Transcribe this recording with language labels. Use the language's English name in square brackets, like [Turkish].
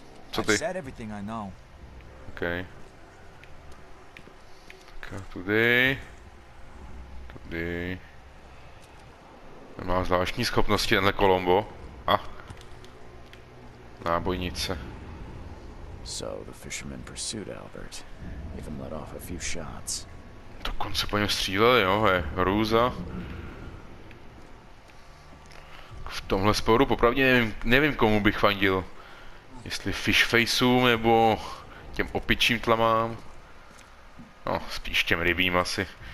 [Czech] Co ty? OK. Tak tudy. Tudy. Má zvláštní schopnosti tenhle Colombo. A? Nábojnice. [English] So the fisherman pursued Albert, even let off a few shots. [Czech] Dokonce po něm stříleli, jo, je hrůza. V tomhle sporu popravdě nevím komu bych fandil. Jestli fishfaceům nebo těm opičím tlamám. No, spíš těm rybím asi.